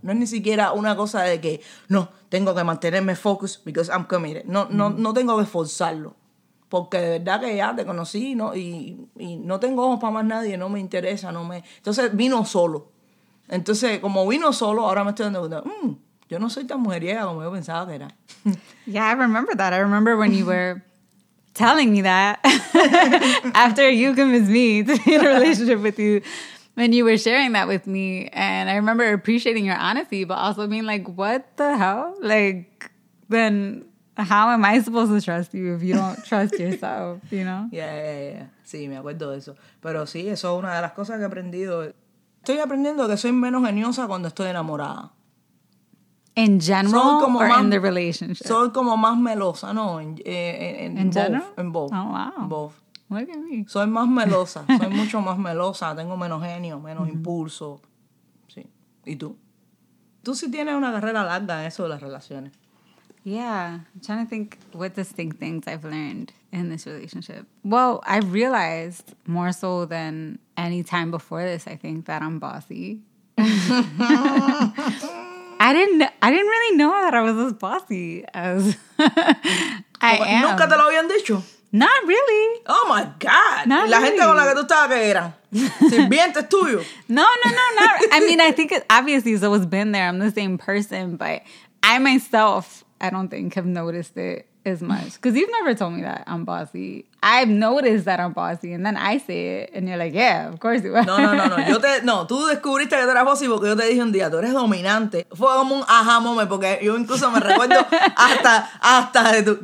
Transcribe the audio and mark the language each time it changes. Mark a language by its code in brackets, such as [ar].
[es] No es ni siquiera una cosa de que, no, tengo que mantenerme focus because I'm committed. No tengo que forzarlo. Porque de verdad que ya te conocí y no tengo ojos para más nadie. No me interesa, no me... Entonces vino solo. Entonces, como vino solo, ahora me estoy dando cuenta. Yo no soy tan mujeriega como yo pensaba que era. [en] Yeah, I remember that. I remember when you were telling me that after you convinced me to be in a relationship with you. And you were sharing that with me, and I remember appreciating your honesty, but also being like, what the hell? Like, then how am I supposed to trust you if you don't trust yourself, you know? [es] Yeah. Sí, me acuerdo de eso. Pero sí, eso es una de las cosas que he aprendido. Estoy aprendiendo que soy menos geniosa cuando estoy enamorada. [en] In general or más, in the relationship? [es] Soy como más melosa, no, en both. [en] Oh, wow. In both. Look at [es] me. Soy más melosa, soy mucho más melosa, tengo menos genio, menos impulso. Sí. ¿Y tú? Tú sí tienes una carrera larga en eso de las relaciones. [en] Yeah, I'm trying to think what distinct things I've learned in this relationship. Well, I've realized more so than any time before this, I think, that I'm bossy. I didn't really know that I was as bossy as I am. [es] ¿Nunca te lo habían dicho? [en] Not really. Oh, my God. Not la really. [es] Gente con la que tú estabas, ¿qué eran? ¿Sirvientes tuyos? [en] No. Not. I mean, I think, obviously, it's always been there. I'm the same person. But I myself, I don't think, have noticed it as much. Because you've never told me that I'm bossy. I've noticed that I'm bossy. And then I say it. And you're like, yeah, of course you are. [es] No. Tú descubriste que eras bossy porque yo te dije un día, tú eres dominante. Fue como un aha moment porque yo incluso me recuerdo hasta de tú.